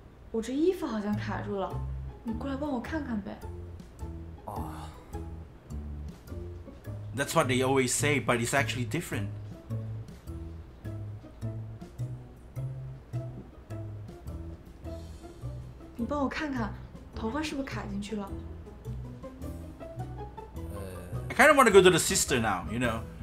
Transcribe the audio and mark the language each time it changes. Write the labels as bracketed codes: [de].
[zh] 我这衣服好像卡住了，你过来帮我看看呗。 [en] That's what they always say, but it's actually different. [zh] 你帮我看看，头发是不是卡进去了 [en] ？I kind of want to go to the sister now, you know.